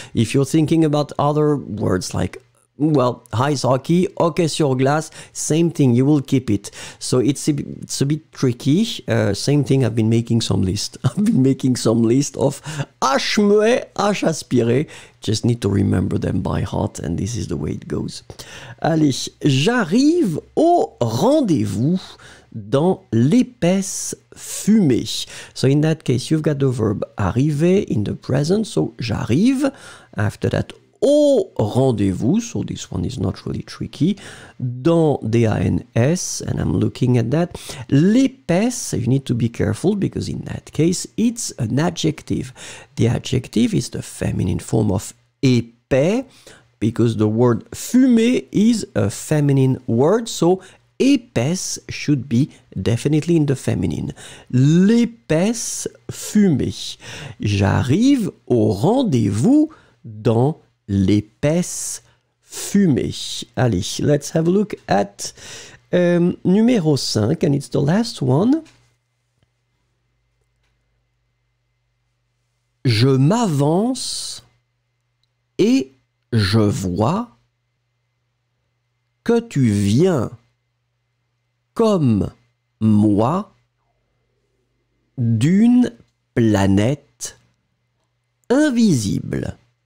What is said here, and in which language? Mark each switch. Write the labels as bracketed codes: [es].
[en] If you're thinking about other words like, well, ice hockey, hockey sur glace, same thing, you will keep it. So it's a bit tricky. Same thing, I've been making some list of H muet, H aspiré. Just need to remember them by heart, and this is the way it goes. [fr] Allez, j'arrive au rendez-vous dans l'épaisse fumée. [en] So in that case, you've got the verb arriver in the present. So j'arrive, after that, au rendez-vous. So this one is not really tricky. Dans, D-A-N-S, and I'm looking at that. L'épaisse, you need to be careful, because in that case, it's an adjective. The adjective is the feminine form of épais, because the word fumée is a feminine word. So épaisse should be definitely in the feminine. [fr] L'épaisse fumée. J'arrive au rendez-vous dans l'épaisse fumée. [en] Allez, let's have a look at numéro 5, and it's the last one. [fr] Je m'avance et je vois que tu viens comme moi d'une planète invisible.